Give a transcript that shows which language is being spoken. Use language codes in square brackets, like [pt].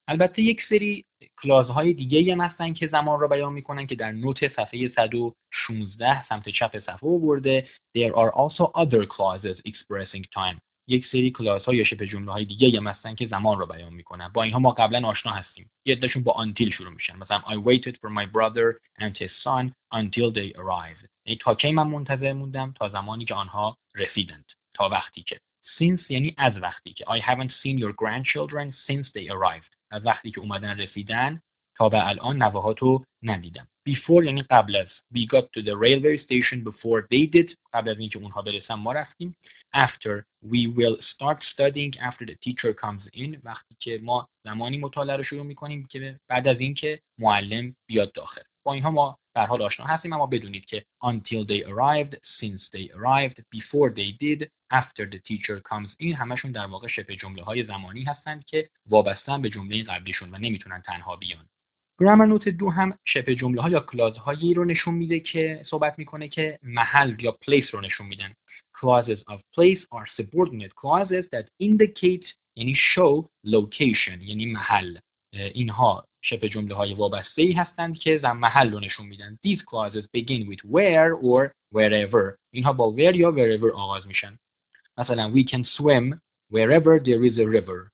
[fa] البته یک سری کلازهای دیگه هم هستن که زمان رو بیان میکنن که در نوت صفحه 116 سمت چپ صفحه برده. [en] There are also other clauses expressing time، [fa] یک سری کلاس های شبه جمله های دیگه هم هستن که زمان رو بیان میکنن. با اینها ما قبلا آشنا هستیم. یه عدهشون با until شروع میشن. مثلا [en] I waited for my brother and his son until they arrived. [fa] یعنی تا کی من منتظر موندم؟ تا زمانی که آنها رسیدند. تا وقتی که. Since یعنی از وقتی که. [en] I haven't seen your grandchildren since they arrived. [fa] از وقتی که اومدن رسیدن تا به الان نواهاتو ندیدم. Before یعنی قبل از. [en] We got to the railway station before they did. [fa] قبل از اینکه اونها برسن ما رفتیم. [en] After we will start studying after the teacher comes in، [fa] وقتی که ما زمانی مطالعه رو شروع میکنیم که بعد از اینکه معلم بیاد داخل. با اینها ما در حال آشنا هستیم، اما بدونید که [en] until they arrived، since they arrived، before they did، after the teacher comes in، [fa] همشون در واقع شبه جمله های زمانی هستند که وابستن به جمله قبلیشون و نمیتونن تنها بیان. گرامر نوت دو هم شبه جمله ها یا کلاز هایی رو نشون میده که صحبت میکنه که محل یا پلیس رو نشون میدن. [en] Clauses of place are subordinate clauses that indicate [fa] یعنی [en] show location [fa] یعنی محل. اینها شبه جمله های وابسته ای هستند که زم محل رو نشون میدن. [en] These clauses begin with where or wherever. [fa] اینها با where یا wherever آغاز میشن. مثلا [en] we can swim wherever there is a river.